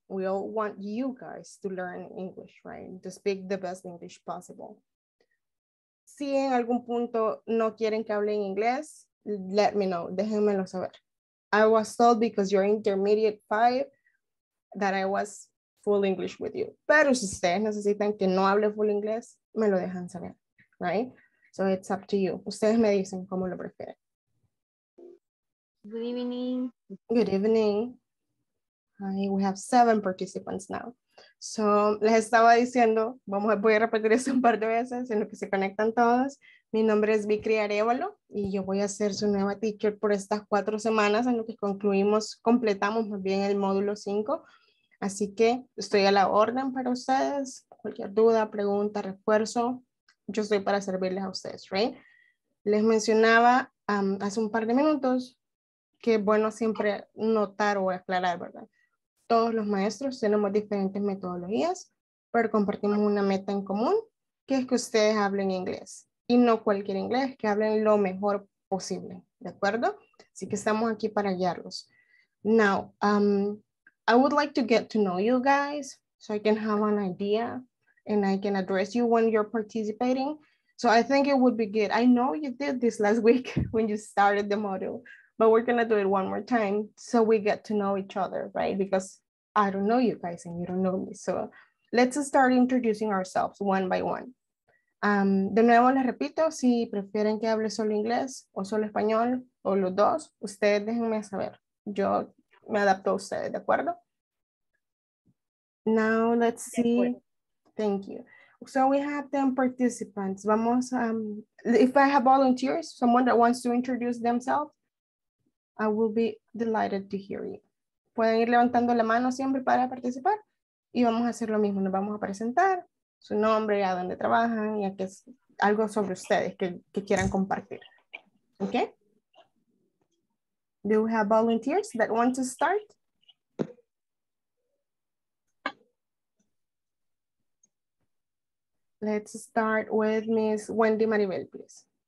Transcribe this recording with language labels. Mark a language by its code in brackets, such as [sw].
[en] We all want you guys to learn English, right? To speak the best English possible. [es] Si en algún punto no quieren que hable en inglés, [en] let me know, [es] déjenmelo saber. [en] I was told because you're intermediate 5 that I was full English with you. [es] Pero si ustedes necesitan que no hable full inglés, me lo dejan saber, right? [en] So it's up to you. [es] Ustedes me dicen cómo lo prefieren. [en] Good evening. Good evening. Hi, we have 7 participants now. [es] So les estaba diciendo, voy a repetir eso un par de veces en lo que se conectan todos. Mi nombre es Vicri Arevalo y yo voy a ser su nueva teacher por estas 4 semanas en lo que completamos más bien el módulo 5. Así que estoy a la orden para ustedes. Cualquier duda, pregunta, refuerzo, yo estoy para servirles a ustedes, right? Les mencionaba hace un par de minutos que es bueno siempre notar o aclarar, ¿verdad? Todos los maestros tenemos diferentes metodologías, pero compartimos una meta en común, que es que ustedes hablen inglés. Y no cualquier inglés, que hablen lo mejor posible, ¿de acuerdo? Así que estamos aquí para guiarlos. [en] Now, I would like to get to know you guys so I can have an idea and I can address you when you're participating. So I think it would be good. I know you did this last week when you started the module, but we're gonna do it one more time so we get to know each other, right? Because I don't know you guys and you don't know me. So let's start introducing ourselves one by one. [es] De nuevo les repito, si prefieren que hable solo inglés o solo español o los dos, ustedes déjenme saber. Yo me adapto a ustedes, ¿de acuerdo? [en] Now let's see. Thank you. So we have 10 participants. Vamos, if I have volunteers, someone that wants to introduce themselves, I will be delighted to hear you. [es] Pueden ir levantando la mano siempre para participar y vamos a hacer lo mismo. Nos vamos a presentar. Su nombre, a dónde trabajan y a qué es algo sobre ustedes que quieran compartir. [en] Okay? Do we have volunteers that want to start? Let's start with Miss Wendy Maribel, please.